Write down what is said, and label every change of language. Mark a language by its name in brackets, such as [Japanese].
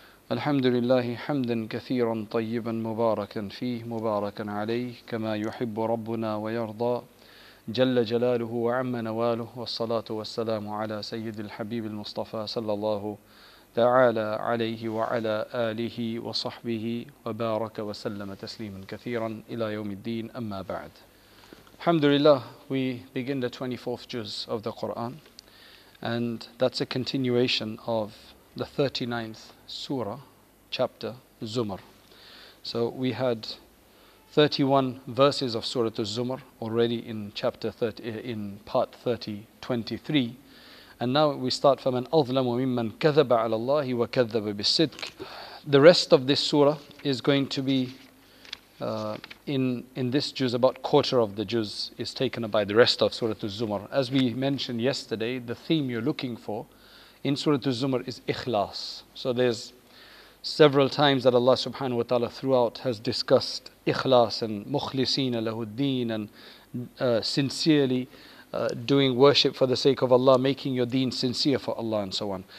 [Arabic] الحمد لله حمدا كثيرا طيبا مباركا فيه مباركا عليه كما يحب ربنا ويرضى جل جلاله وعم نواله والصلاة والسلام على سيد الحبيب المصطفى صلى الله تعالى عليه وعلى آله وصحبه وبارك وسلم تسليما كثيرا إلى يوم الدين أما بعد الحمد لله. [English] We begin the 24th juz of the Quran, and that's a continuation of the 39th surah, chapter Zumar. So we had 31 verses of Surah Az-Zumar already in part 23. And now we start from an [Arabic] أَظْلَمُ مِمَّنْ كَذَبَ عَلَى اللَّهِ وَكَذَّبَ بِالصِّدْقِ. [English] The rest of this surah is going to be in this juz, about quarter of the juz is taken up by the rest of Surah Az-Zumar. As we mentioned yesterday, the theme you're looking for in Surah Az-Zumar is ikhlas. So there's several times that Allah subhanahu wa ta'ala throughout has discussed ikhlas and [Arabic] مُخْلِصِينَ لَهُ الدِّينَ [English] and sincerely doing worship for the sake of Allah, making your deen sincere for Allah and so on.